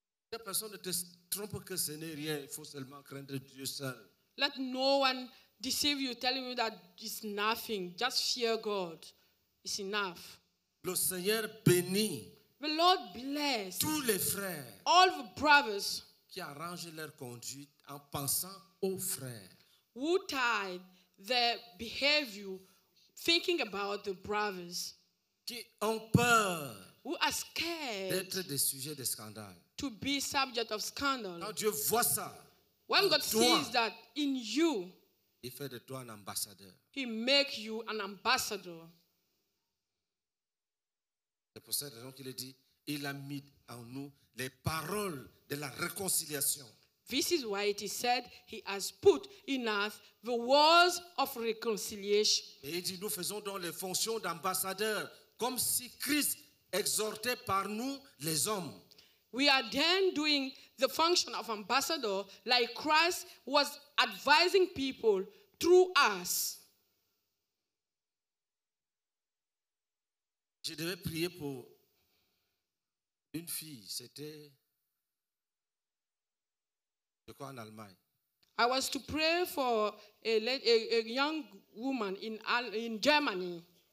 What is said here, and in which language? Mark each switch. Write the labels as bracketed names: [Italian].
[French] Que personne ne te trompe que ce n'est rien. Il faut seulement craindre Dieu seul. [English] Let no one deceive you, telling you that it's nothing. Just fear God. It's enough. [French] Le Seigneur bénit. [English] The Lord bless. [French] Tous les frères. [English] All the brothers. [French] Qui arrangent leur conduite en pensant aux frères. [English] Who tied their behavior thinking about the brothers. [French] Qui ont peur. [English] Who are scared. [French] D'être des sujets de scandale. [English] To be subject of scandal. [French] Quand Dieu voit ça. [English] When God sees that in you, [French] il fait de toi un ambassadeur. [English] He makes you an ambassador. [French] C'est pour cette raison qu'il est dit, il a mis en nous les paroles de la réconciliation. [English] This is why it is said he has put in us the words of reconciliation. [French] Et il dit, nous faisons donc les fonctions d'ambassadeur, comme si Christ exhortait par nous les hommes. [English] We are then doing the function of ambassador like Christ was advising people through us. [French] Je devais prier pour une fille, c'était de quoi en Allemagne. [English] I was to pray for a young woman in Germany.